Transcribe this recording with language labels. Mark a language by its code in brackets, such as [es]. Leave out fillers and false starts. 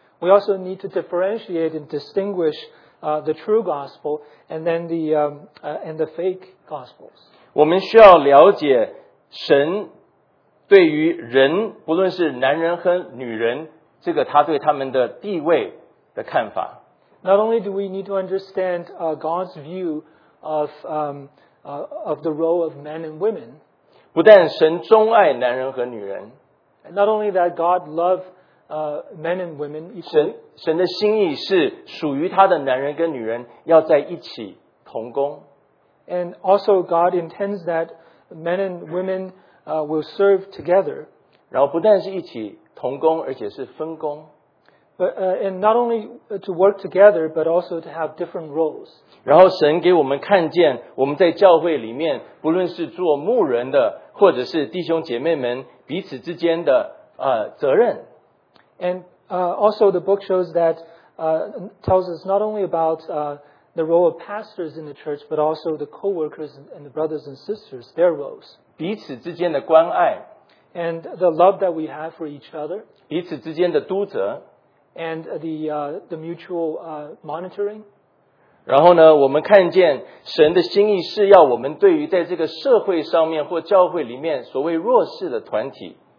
[en] We also need to differentiate and distinguish the true gospel and then the fake Gospels. [zh] 我们需要了解神对于人, 不论是男人和女人, 这个他对他们的地位的看法。 [en] Not only do we need to understand God's view of the role of men and women, [zh] 不但神钟爱男人和女人, [en] not only that God loves men and women equally, [zh] 神的心意是属于他的男人跟女人要在一起同工, [en] and also God intends that men and women will serve together, [zh] 然后不但是一起同工, 而且是分工, [en] And not only to work together, but also to have different roles. [zh] 然后神给我们看见, 我们在教会里面, 不论是做牧人的, 或者是弟兄姐妹们, 彼此之间的, 责任。 [en] And also the book shows that, tells us not only about the role of pastors in the church, but also the co-workers and the brothers and sisters, their roles. [zh] 彼此之间的关爱, [en] and the love that we have for each other. [zh] 彼此之间的督责, [en] and the mutual monitoring. [zh] 然后呢, 我们看见神的心意是要我们对于在这个社会上面或教会里面 所谓弱势的团体,